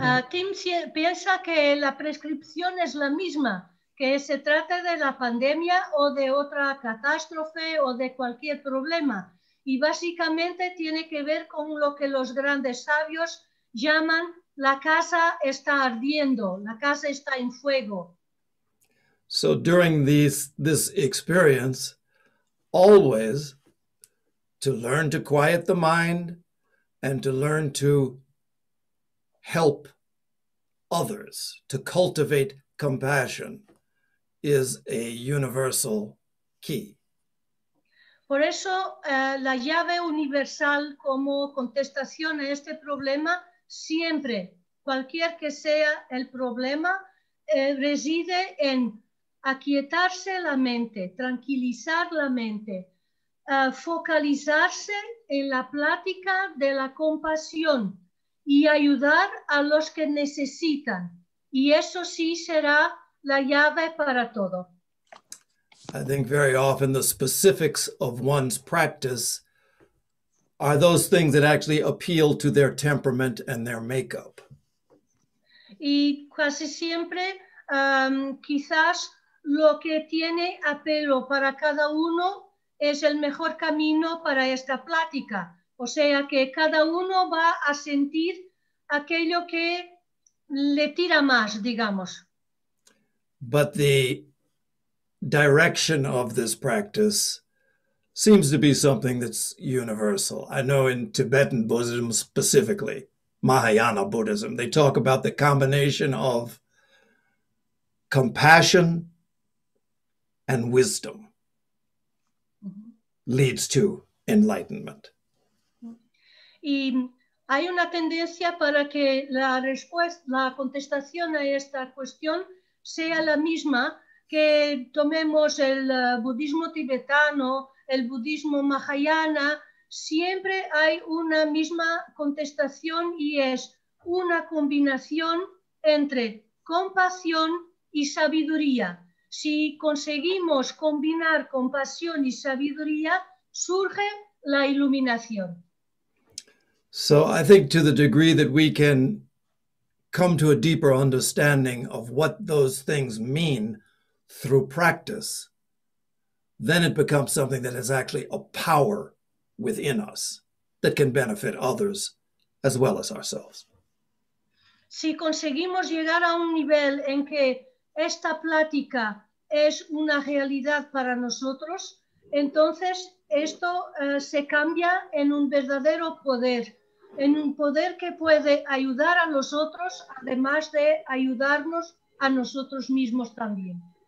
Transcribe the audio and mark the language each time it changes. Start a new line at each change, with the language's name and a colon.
Spanish: Tim piensa que la prescripción es la misma, que se trata de la pandemia o de otra catástrofe o de cualquier problema. Y básicamente tiene que ver con lo que los grandes sabios llaman la casa está ardiendo, la casa está en fuego.
English: So during this experience, always to learn to quiet the mind and to learn to help others, to cultivate compassion, is a universal key.
Spanish: Por eso, la llave universal como contestación a este problema, siempre, cualquier que sea el problema, reside en aquietarse la mente, tranquilizar la mente, focalizarse en la plática de la compasión, y ayudar a los que necesitan. Y eso sí será la llave para todo.
English: I think very often the specifics of one's practice are those things that actually appeal to their temperament and their makeup.
Spanish: Y casi siempre, quizás lo que tiene apelo para cada uno es el mejor camino para esta plática. O sea que cada uno va a sentir aquello que le tira más, digamos.
English: But the direction of this practice seems to be something that's universal. I know in Tibetan Buddhism specifically, Mahayana Buddhism, they talk about the combination of compassion and wisdom leads to enlightenment.
Spanish: Y hay una tendencia para que la respuesta, la contestación a esta cuestión sea la misma que tomemos el budismo tibetano, el budismo mahayana, siempre hay una misma contestación y es una combinación entre compasión y sabiduría. Si conseguimos combinar compasión y sabiduría, surge la iluminación.
English: So I think to the degree that we can come to a deeper understanding of what those things mean through practice, then it becomes something that is actually a power within us that can benefit others as well as ourselves.
Spanish: Si conseguimos llegar a un nivel en que esta plática es una realidad para nosotros, entonces esto se cambia en un verdadero poder, en un poder que puede ayudar a los otros, además de ayudarnos a nosotros mismos también.